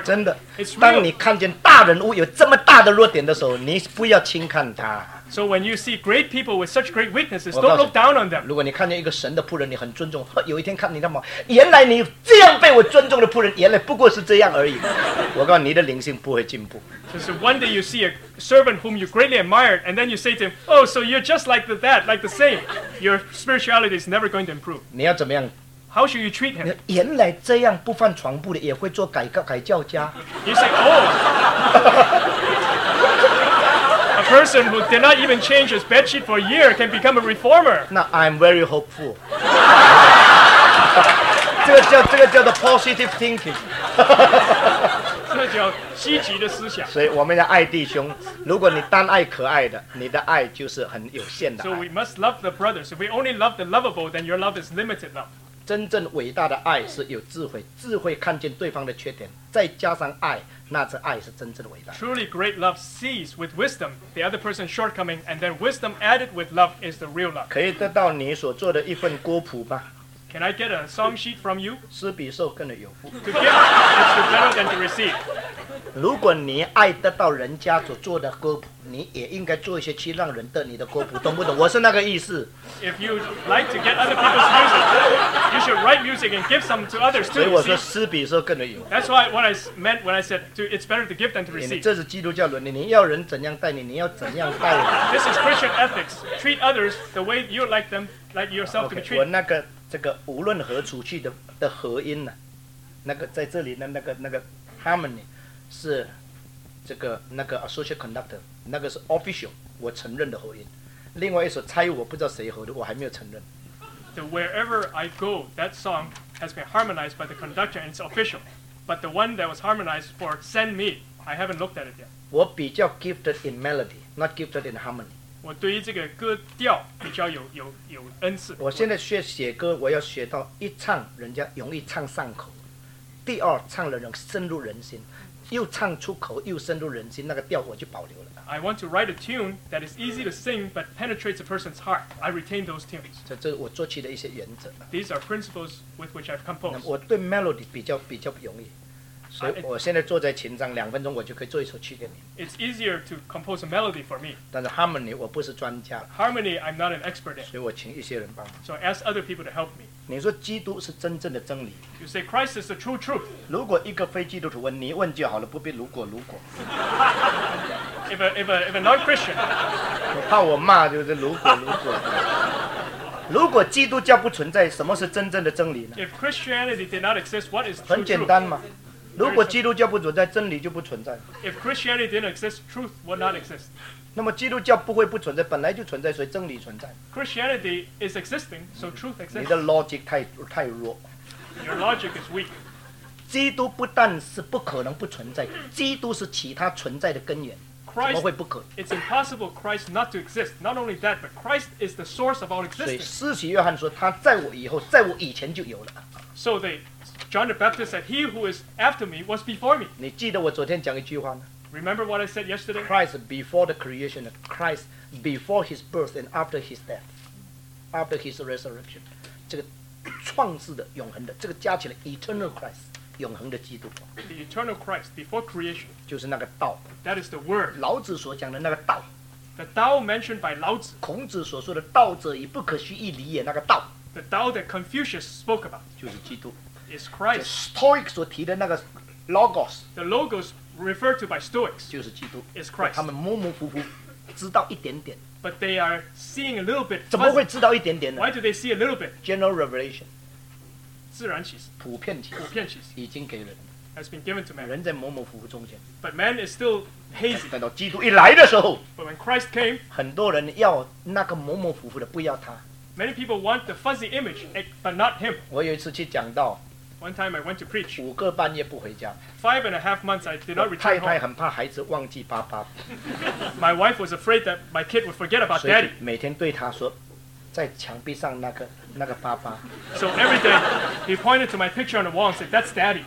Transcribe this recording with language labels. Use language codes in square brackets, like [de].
[zh] 真的，当你看见大人物有这么大的弱点的时候，你不要轻看他。 [en] So when you see great people with such great weaknesses, don't look down on them. [zh] 如果你看见一个神的仆人，你很尊重，有一天看你那么，原来你这样被我尊重的仆人，原来不过是这样而已。我告诉你，你的灵性不会进步。 [en] So one day you see a servant whom you greatly admired, and then you say to him, "Oh, so you're just like that, like the same." Your spirituality is never going to improve. [zh] 你要怎么样？ [en] How should you treat him? [zh] 原来这样不犯床步的也会做改教家。 [en] You say, "Oh." A person who did not even change his bed sheet for a year can become a reformer. Now I'm very hopeful. [zh] 这个叫做 [en] positive thinking. [zh] 这叫积极的思想。所以我们要爱弟兄，如果你单爱可爱的，你的爱就是很有限的。 [en] So we must love the brothers. If we only love the lovable, then your love is limited love. [zh] 真正伟大的爱是有智慧，智慧看见对方的缺点，再加上爱。那这爱是真正的伟大。 [en] Truly great love sees with wisdom the other person's shortcoming, and then wisdom added with love is the real love. [zh] 可以得到你所做的一份歌谱吗？ [en] Can I get a song sheet from you? [zh] 施比受更的有福。 [en] To give is better than to receive. [zh] 如果你爱得到人家所做的歌谱，你也应该做一些去让人得你的歌谱，懂不懂？我是那个意思。 [en] If you like to get other people's music, you should write music and give some to others too. [zh] 所以我说施比受更的有福。 [en] That's why what I meant when I said to, it's better to give than to receive. [zh] 这是基督教伦理，你要人怎样待你，你要怎样待人。 [en] This is Christian ethics. Treat others the way you like them, like yourself to be treated. [zh] 我那个这个无论何处去的和音呢、啊，那个在这里的那个 harmony 是这个那个 [en] associate conductor [zh] 那个是 official 我承认的和音，另外一首猜我不知道谁和的，我还没有承认。 [en] The wherever I go, that song has been harmonized by the conductor and it's official. But the one that was harmonized for Send Me, I haven't looked at it yet. [zh] 我比较 [en] gifted in melody, not gifted in harmony. [zh] 我对于这个歌调比较有恩赐。我现在学写歌，我要学到一唱人家容易唱上口，第二唱了人深入人心，又唱出口又深入人心，那个调我就保留了。 [en] I want to write a tune that is easy to sing but penetrates a person's heart. I retain those tunes. [zh] 这是我作曲的一些原则。 [en] These are principles with which I've composed. [zh] 我对 melody 比较容易。所以我现在坐在琴上，两分钟我就可以做一首曲给你。 [en] It's easier to compose a melody for me. [zh] 但是 harmony 我不是专家。 [en] Harmony I'm not an expert in. [zh] 所以我请一些人帮忙。 [en] So I ask other people to help me. [zh] 你说基督是真正的真理。 [en] You say Christ is the true truth. [zh] 如果一个非基督徒问，你问就好了，不必如果。 [en] if a non-Christian. [zh] 我怕我骂就是如果。如果基督教不存在，什么是真正的真理呢？ [en] If Christianity did not exist, what is true? [zh] 很简单嘛。如果基督教不存在，真理就不存在。 [en] If Christianity didn't exist, truth would not exist. [zh] 那么基督教不会不存在，本来就存在，所以真理存在。 [en] Christianity is existing, so truth exists. [zh] 你的 logic 太弱。 [en] Your logic is weak. [zh] 基督不但是不可能不存在，基督是其他存在的根源。 [en] Christ, [zh] 怎么会不可？ [en] It's impossible Christ not to exist. Not only that, but Christ is the source of all existence. [zh] 所以施洗约翰说，他在我以后，在我以前就有了。 [en] So they. John the Baptist said, "He who is after me was before me." [zh] 你记得我昨天讲一句话吗？ [en] Remember what I said yesterday? Christ before the creation, Christ before his birth and after his death, after his resurrection. [zh] 这个创世的永恒的，这个加起来 [en] eternal Christ, [zh] 永恒的基督。 [en] The eternal Christ before creation. [zh] 就是那个道。 [en] That is the word. [zh] 老子所讲的那个道。 [en] The Tao mentioned by 老子。 [zh] 孔子所说的道者以不可须臆理也，那个道。 [en] The Tao that Confucius spoke about. [zh] 就是基督。 [en] Is Christ. The Stoics [zh] 所提的那个 [en] Logos. The Logos referred to by Stoics. [zh] 就是基督。 [en] Is Christ. [zh] 他们模模糊糊知道一点点。 [en] But they are seeing a little bit. [zh] 怎么会知道一点点呢？ [en] Why do they see a little bit? General revelation. [zh] 自然启示。普遍启示。已经给人。 [en] Has been given to man. [zh] 人在模模糊糊中间。 [en] But man is still hazy. [zh] 等到基督一来的时候。 [en] But when Christ came. [zh] 很多人要那个模模糊糊的，不要他。 [en] Many people want the fuzzy image, but not him. [zh] 我有一次去讲道。 [en] One time I went to preach. [zh] 五个半夜不回家。 [en] Five and a half months I did not return home. [zh] 太太很怕孩子忘记爸爸。 [en] My wife was afraid that my kid would forget about daddy. [zh] 每天对他说，在墙壁上那个爸爸。 [en] So every day, he pointed to my picture on the wall and said, "That's Daddy."